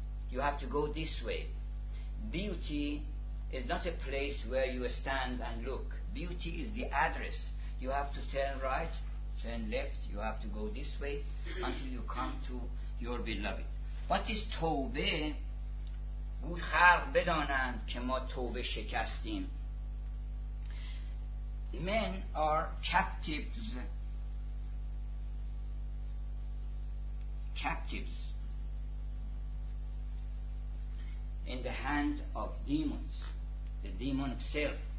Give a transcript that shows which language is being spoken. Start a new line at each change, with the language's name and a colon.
English: You have to go this way. Beauty is not a place where you stand and look. Beauty is the address. You have to turn right, turn left, you have to go this way until you come to your beloved. What is Tawbah?
Persian: گوی خلق بدانند که ما توبه شکستیم.
English: Men are captives in the hand of demons, the demon itself.